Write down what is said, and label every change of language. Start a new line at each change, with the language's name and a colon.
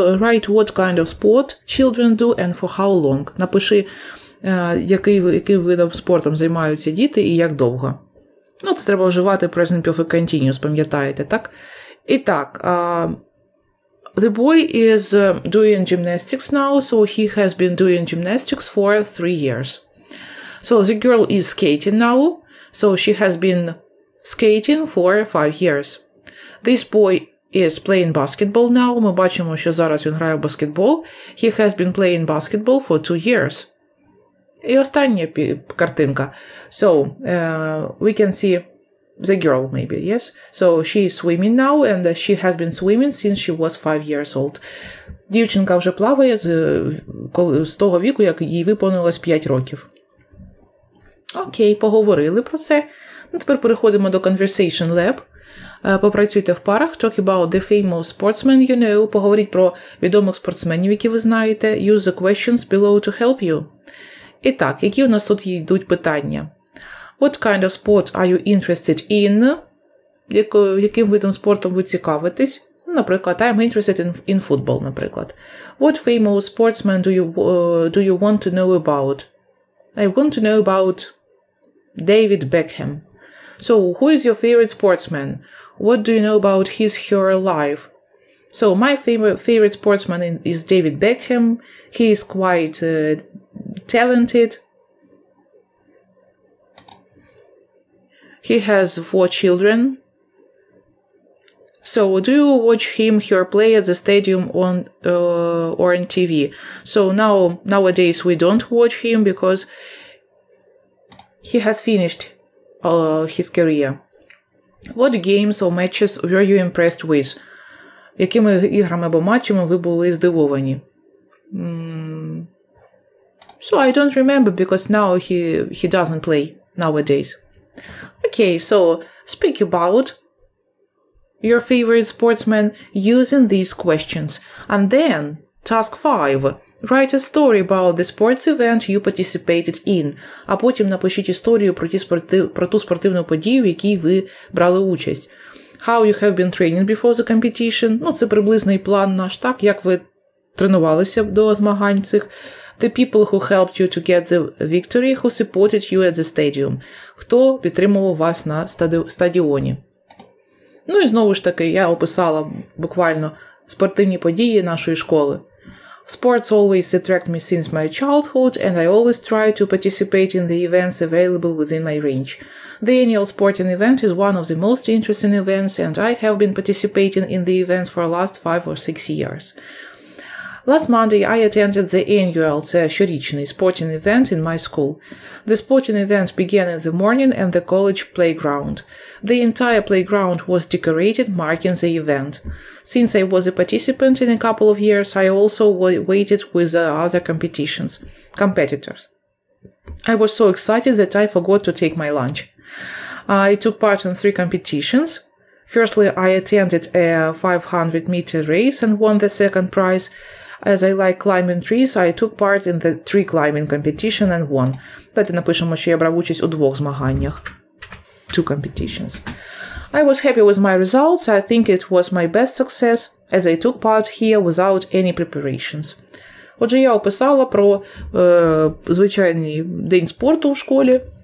English: Write what kind of sport children do and for how long.
Ukrainian: Напиши, яким видом спортом займаються діти і як довго. Ну, це треба вживати present perfect continuous, пам'ятаєте, так? І так,
English: the boy is doing gymnastics now, so he has been doing gymnastics for 3 years. So the girl is skating now, so she has been skating for 5 years. This boy is playing basketball now.
Ukrainian: Ми бачимо, що зараз він грає в баскетбол.
English: He has been playing basketball for 2 years.
Ukrainian: І остання картинка.
English: So, we can see the girl, maybe, yes? So, she is swimming now, and she has been swimming since she was 5 years old.
Ukrainian: Дівчинка вже плаває з того віку, як їй виповнилось 5 років. Окей, поговорили про це. Ну, тепер переходимо до Conversation Lab. Попрацюйте в парах.
English: Talk about the famous sportsmen you know.
Ukrainian: Поговоріть про відомих спортсменів, які ви знаєте.
English: Use the questions below to help you.
Ukrainian: І так, які у нас тут йдуть питання?
English: What kind of sport are you interested in?
Ukrainian: Яким видом спортом ви цікавитесь? Наприклад,
English: I'm interested in football,
Ukrainian: наприклад.
English: What famous sportsman do you want to know about? I want to know about David Beckham. So, who is your favorite sportsman? What do you know about his her life? So, my favorite sportsman is David Beckham. He is quite talented. He has 4 children. So, do you watch him her play at the stadium or on TV? So, nowadays we don't watch him because he has finished his career. What games or matches were you impressed with?
Ukrainian: Якими іграми або матчами ви були здивовані?
English: So I don't remember because now he doesn't play nowadays. Okay, so speak about your favorite sportsman using these questions. And then task 5. Write a story about the sports event you participated in.
Ukrainian: А потім напишіть історію про ту спортивну подію, в якій ви брали участь.
English: How you have been training before the competition.
Ukrainian: Ну, це приблизний план наш, так? Як ви тренувалися до змагань цих.
English: The people who helped you to get the victory, who supported you at the stadium.
Ukrainian: Хто підтримував вас на стадіоні. Ну, і знову ж таки, я описала буквально спортивні події нашої школи.
English: Sports always attract me since my childhood, and I always try to participate in the events available within my range. The annual sporting event is one of the most interesting events, and I have been participating in the events for the last 5 or 6 years. Last Monday I attended the annual, the щорічний, sporting event in my school. The sporting event began in the morning at the college playground. The entire playground was decorated, marking the event. Since I was a participant in a couple of years, I also waited with the other competitors. I was so excited that I forgot to take my lunch. I took part in three competitions. Firstly, I attended a 500-meter race and won the second prize. As I like climbing trees, I took part in the tree climbing competition and won.
Ukrainian: Давайте напишемо, що я брав участь у двох змаганнях.
English: Two competitions. I was happy with my results. I think it was my best success, as I took part here without any preparations.
Ukrainian: Отже, я описала про звичайний день спорту у школі.